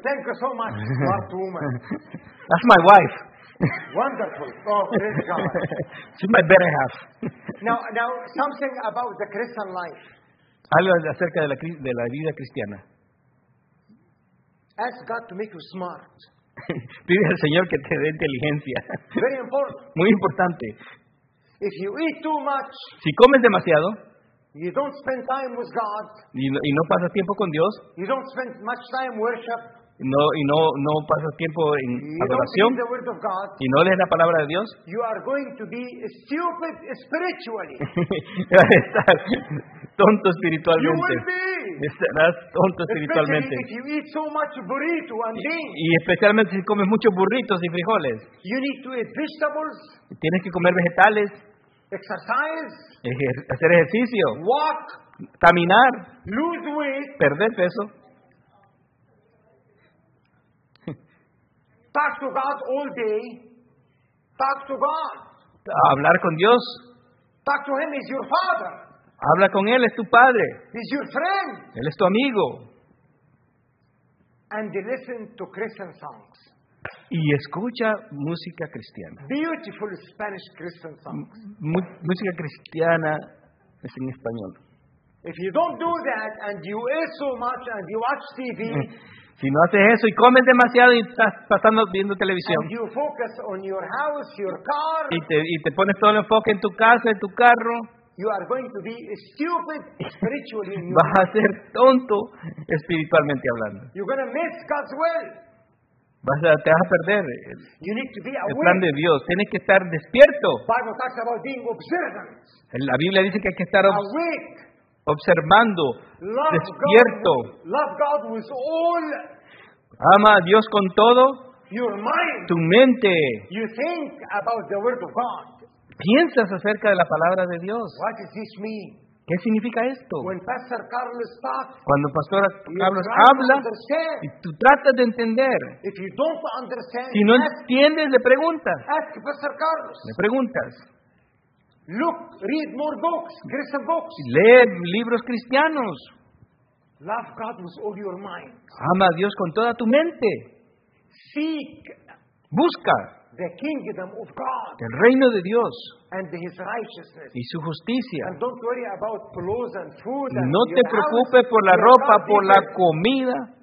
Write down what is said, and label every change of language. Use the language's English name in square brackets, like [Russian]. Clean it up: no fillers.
[English] Thank you so much, smart woman. That's my wife. Wonderful. Oh, praise God. She's my better half. Now, something about the Christian life. [Spanish] Algo acerca de la vida cristiana. [English] Ask God to make you smart. [Spanish] Pide al Señor que te dé inteligencia. [English] Very important. [Spanish] Muy importante. [English] If you eat too much, [Spanish] si comes demasiado, [English] you don't spend time with God, [Spanish] y no pasas tiempo con Dios, [English] you don't spend much time worship, [Spanish] no pasas tiempo en adoración, [English] the word of God, [Spanish] y no lees la palabra de Dios, [English] you are going to be stupid spiritually. [Spanish] Estás tonto espiritualmente. Estarás tonto espiritualmente. [English] If you eat so much burrito and beans, [Spanish] y especialmente si comes muchos burritos y frijoles. [English] You need to eat vegetables, [Spanish] tienes que comer vegetales. [English] Exercise, [Spanish] hacer ejercicio. [English] Walk, [Spanish] caminar. [English] Lose weight, [Spanish] perder peso. [English] Talk to God all day. Talk to God. [Spanish] Hablar con Dios. [English] Talk to him, he's your father. [Spanish] Habla con él, es tu padre. [English] He's your friend. [Spanish] Él es tu amigo. [English] And listen to Christian songs. [Spanish] Y escucha música cristiana. [English] Beautiful Spanish Christian songs. [Spanish] Música cristiana es en español. [English] If you don't do that and you eat so much and you watch TV, [Spanish] si no haces eso y comes demasiado y estás pasando viendo televisión, [English] and you focus on your house, your car, [Spanish] y te pones todo el enfoque en tu casa, en tu carro, [English] you are going to be stupid spiritually. [Spanish] Vas a ser tonto espiritualmente hablando. [English] You're going to miss God's will. [Spanish] Te vas a perder el plan de Dios. Tienes que estar despierto. [English] Bible talks about being observant. [Spanish] La Biblia dice que hay que estar [English] awake, [Spanish] observando, [English] love [Spanish] despierto. [English] God with all. [Spanish] Ama a Dios con todo. [English] Your mind. [Spanish] Tu mente. [English] You think about the word of God. [Spanish] Piensas acerca de la palabra de Dios. [English] What does this mean? [Spanish] ¿Qué significa esto? [English] When Pastor Carlos talks, [Spanish] cuando Pastor Carlos habla y tú tratas de entender, [English] if you don't understand, [Spanish] si no entiendes, le preguntas. [English] Ask Pastor Carlos. [Spanish] Le preguntas. [English] Look, read more books, Christian books. [Spanish] Lee libros cristianos. [English] Love God with all your mind. [Spanish] Ama a Dios con toda tu mente. [English] Seek. [Spanish] Busca. [English] The kingdom of God, [Spanish] el reino de Dios, [English] and his righteousness, [Spanish] y su justicia. [English] And don't worry about clothes and food. [Spanish] No te preocupes por la ropa, por la comida.